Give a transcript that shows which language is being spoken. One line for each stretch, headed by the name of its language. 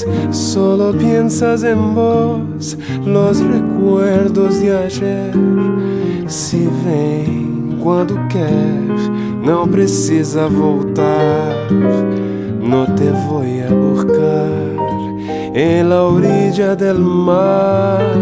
Spanish: Solo piensas en vos, los recuerdos de ayer.
Portuguese: Se vem quando quer, não precisa voltar.
Spanish: No te voy a buscar en la orilla del mar.